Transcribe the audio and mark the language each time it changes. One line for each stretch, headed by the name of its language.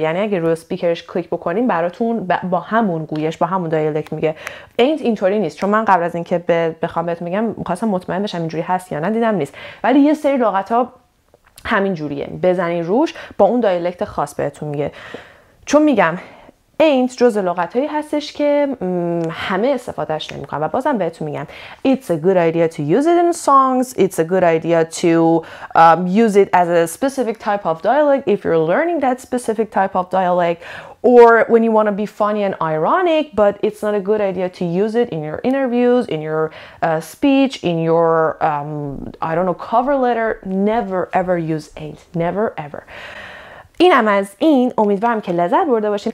Persian: یعنی اگه روی سپیکرش کلیک بکنیم براتون با همون گویش با همون دایلکت میگه. اینت اینطوری نیست، چون من قبل از اینکه بخوام بهتون میگم میخواستم مطمئن بشم اینجوری هست یا نه، دیدم نیست، ولی یه سری لغت‌ها همین جوریه، بزنین روش با اون دایلکت خاص بهتون میگه. چون میگم ain't جز لغتایی هستش که همه استفادهش نمیکنن و بازم بهتون میگم
English: it's a good idea to use it in songs, it's a good idea to use it as a specific type of dialect if you're learning that specific type of dialect or when you want to be funny and ironic, but it's not a good idea to use it in your interviews, in your speech, in your I don't know cover letter. Never ever use ain't, never ever.
Persian: اینم از این، امیدوارم که لذت برده باشین.